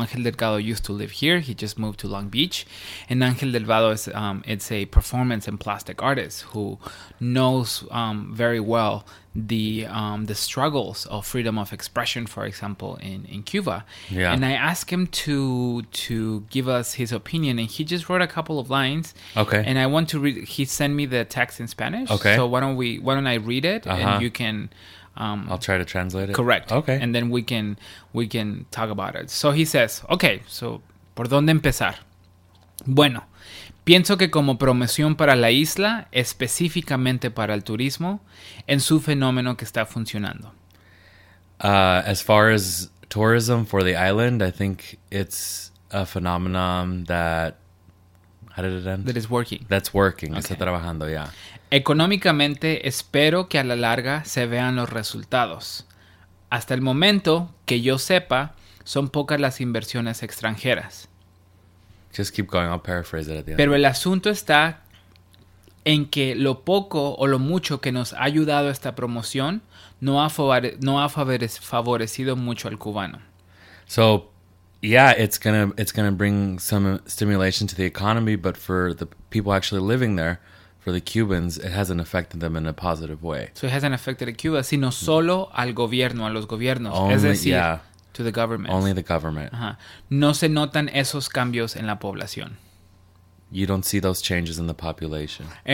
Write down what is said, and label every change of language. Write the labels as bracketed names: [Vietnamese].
[English] Angel Delgado used to live here. He just moved to Long Beach. And Angel Delgado is it's a performance and plastic artist who knows very well the struggles of freedom of expression, for example, in Cuba. Yeah. And I asked him to give us his opinion, and he just wrote a couple of lines. Okay. And I want to read. He sent me the text in Spanish. Okay. So why don't I read it, and you can... I'll try to translate it. Correct. Okay. And then we can talk about it. So he says, okay, so [Spanish] ¿por dónde empezar? Bueno, pienso que como promoción para la isla, específicamente para el turismo, en su fenómeno que está funcionando. [English] As far as tourism for the island, I think it's a phenomenon that, how did it end? That is working. That's working. Okay. [Spanish] Está trabajando, [English] yeah. [Spanish] Económicamente, espero que a la larga se vean los resultados. Hasta el momento, que yo sepa, son pocas las inversiones extranjeras. [English] Just keep going, I'll paraphrase it at the end. [Spanish] Pero el asunto está en que lo poco o lo mucho que nos ha ayudado esta promoción no ha favorecido mucho al cubano. [English] So, yeah, it's gonna bring some stimulation to the economy, but for the people actually living there, for the Cubans, it hasn't affected them in a positive way. So it hasn't affected Cuba, [Spanish] sino solo al gobierno, a los gobiernos. [English] Only, [Spanish] es decir, [English] yeah, to the government. Only the government. Uh-huh. [Spanish] No se notan esos cambios en la población. [English] You don't see those changes in the population.